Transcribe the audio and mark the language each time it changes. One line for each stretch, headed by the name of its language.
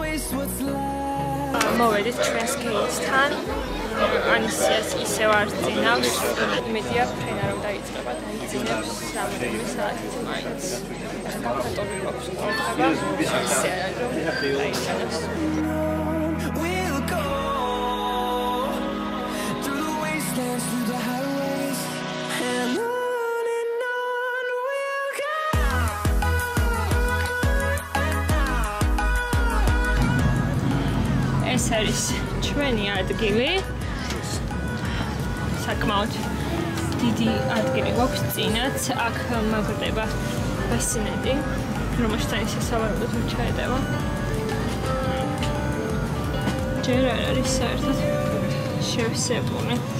Georgian: მოვედით ჩვენს gate-თან. ანისიას ისევ არძინავს. იმედია ფრენა რომ დაიწყება, დაიძინებს რამდენიმე საათით მაინც.
English: We'll go through the wastelands, through the highways, and on we'll go.
Georgian: ეს არის ჩვენი ადგილი. საკმაოდ დიდი ადგილი გვაქვს წინათ, აქ მაგრდება ბასინეტი, რომელშიც ისე სავარაუდოდ ვერ ჩაედება. ჯერ არ არის საერთოდ შევსებული.